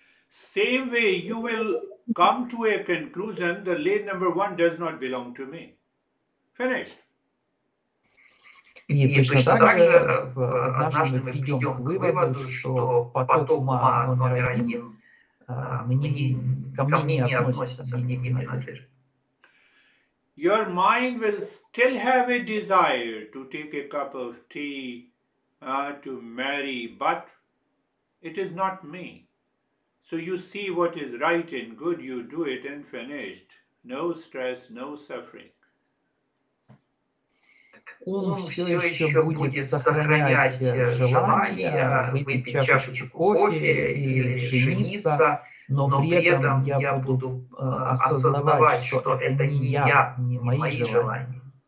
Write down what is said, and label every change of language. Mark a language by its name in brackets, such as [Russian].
[English] same way you will come to a conclusion, the lane number one does not belong to me. Finished. [Russian] И точно так же однажды мы придем к выводу, что поток ума номер один ко мне не относится, мне не принадлежит. [English] Your mind will still have a desire to take a cup of tea, to marry, but it is not me. So you see what is right and good, you do it and finished. No stress, no suffering. [Russian] Ум все еще будет сохранять желание выпить чашечку кофе или жениться, но при этом я буду осознавать, что это не я, не мои желания.